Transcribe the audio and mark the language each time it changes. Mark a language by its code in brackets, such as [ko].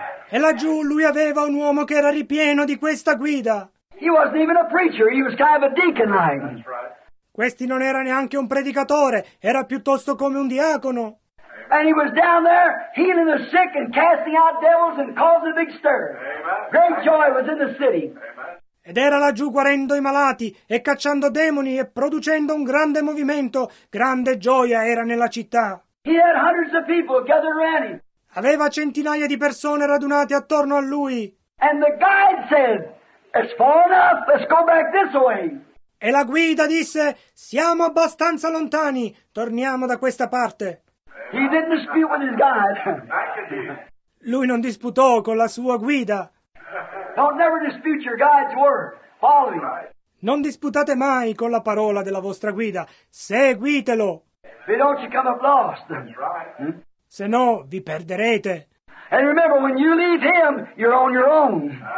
[it] E laggiù lui aveva un uomo che era ripieno di questa guida. [en] He wasn't even a preacher, he was kind of a deacon like. [it] Questi non era neanche un predicatore, era piuttosto come un diacono. [en] And he was down there healing the sick and casting out devils and causing a big stir. Great joy was in the city. [it] ed era laggiù guarendo i malati e cacciando demoni e producendo un grande movimento. Grande gioia era nella città. [en] He had hundreds of people gathered around him. [it] Aveva centinaia di persone radunate attorno a lui. [en] And the guide said, "It's far enough. Let's go back this way." [it] E la guida disse, "Siamo abbastanza lontani, torniamo da questa parte." [en] He didn't dispute with his guide. [it] Lui non disputò con la sua guida. [en] Don't never dispute your guide's word. Follow him. [it] Non disputate mai con la parola della vostra guida. Seguitelo. [en] If you don't, you come up lost. [it] Se no, vi perderete. [en] And remember, when you leave him, you're on your own.